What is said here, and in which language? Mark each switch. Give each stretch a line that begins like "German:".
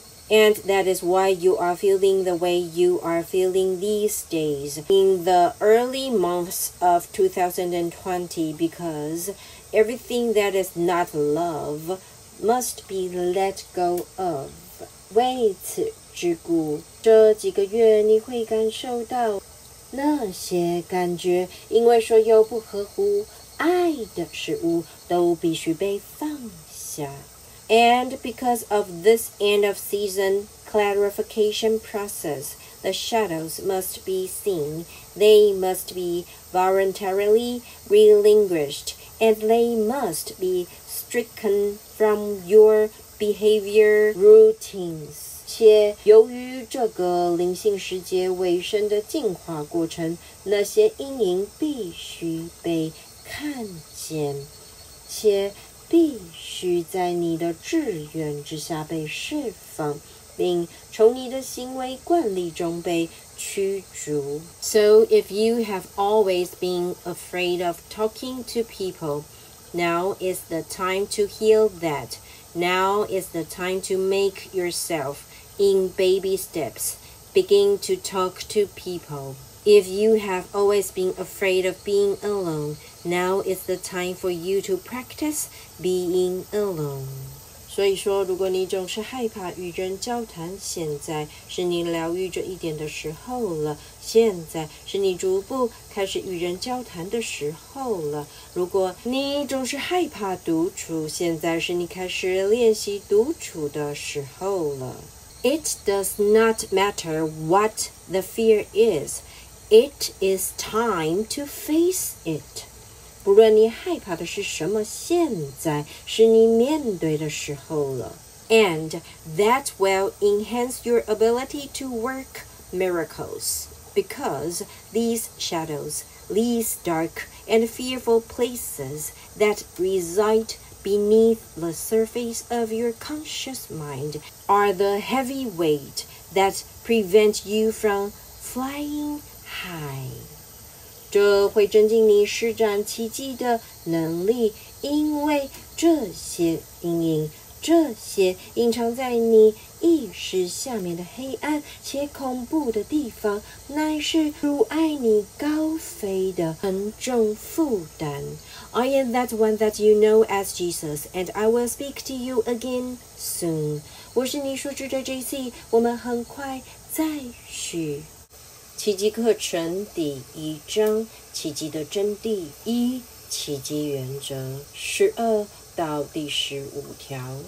English: And that is why you are feeling the way you are feeling these days in the early months of 2020, because Everything that is not love must be let go of.
Chinese: 为此之故，这几个月你会感受到那些感觉，因为所有不合乎爱的事物都必须被放下。
English: And because of this end of season clarification process, the shadows must be seen. They must be voluntarily relinquished, and they must be stricken from your behavior routines.
Chinese: 且由于这个灵性时节尾声的进化过程，那些阴影必须被看见，且必须在你的志愿之下被释放，并从你的行为惯例中被驱逐。
English: So if you have always been afraid of talking to people, now is the time to heal that. Now is the time to make yourself, in baby steps, begin to talk to people. If you have always been afraid of being alone,Now is the time for you to practice being alone.
Chinese: 所以说，如果你总是害怕与人交谈，现在是你疗愈这一点的时候了。现在是你逐步开始与人交谈的时候了。如果你总是害怕独处，现在是你开始练习独处的时候了。
English: It does not matter what the fear is. It is time to face it.
Chinese: 不论你害怕的是什么，现在是你面对的时候了。
English: And that will enhance your ability to work miracles. Because these shadows, these dark and fearful places that reside beneath the surface of your conscious mind are the heavy weight that prevent you from flying high.
Chinese: 这会增进你施展奇迹的能力，因为这些阴影，这些隐藏在你意识下面的黑暗且恐怖的地方，乃是阻碍你高飞的沉重负担。
English: I am that one that you know as Jesus, and I will speak to you again soon.
Chinese: 我是你所知的 JC, 我们很快再续。奇迹课程第一章，奇迹的真谛一，奇迹原则12到第15条。